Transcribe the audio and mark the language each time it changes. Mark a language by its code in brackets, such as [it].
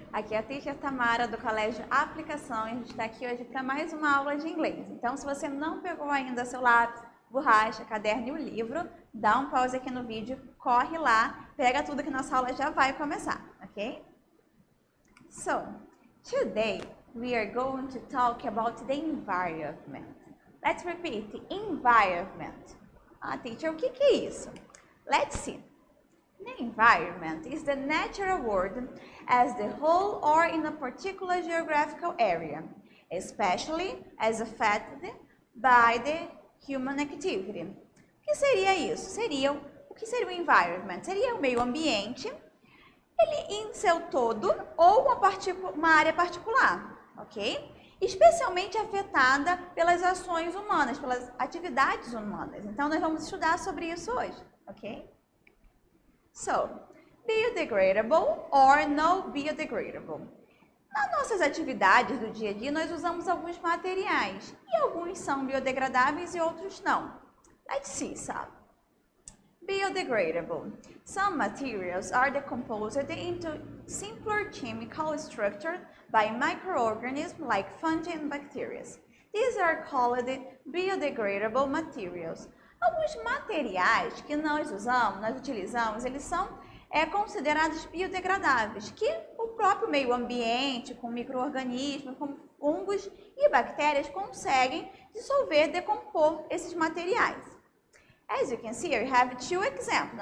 [pt] Aqui é a Teacher Tamara do Colégio Aplicação e a gente está aqui hoje para mais uma aula de inglês. Então, se você não pegou ainda seu lápis, borracha, caderno e o livro, dá um pause aqui no vídeo, corre lá, pega tudo que nossa aula já vai começar, ok? [en] So, today we are going to talk about the environment. Let's repeat, environment. [pt] Ah, teacher, o que que é isso? [en] Let's see. The environment is the natural world as the whole or in a particular geographical area, especially as affected by the human activity. [pt] O que seria isso? Seria o que seria o environment? Seria o meio ambiente, ele em seu todo ou uma área particular, ok? Especialmente afetada pelas ações humanas, pelas atividades humanas. Então, nós vamos estudar sobre isso hoje, ok? [en] So, biodegradable or no biodegradable? [pt] Nas nossas atividades do dia a dia, nós usamos alguns materiais e alguns são biodegradáveis e outros não. [en] Let's see, sabe? Biodegradable. Some materials are decomposed into simpler chemical structure by microorganisms like fungi and bacteria. These are called biodegradable materials. [pt] Alguns materiais que nós utilizamos, eles são considerados biodegradáveis, que o próprio meio ambiente, com micro-organismos, com fungos e bactérias, conseguem dissolver, decompor esses materiais. [en] As you can see, we have two examples.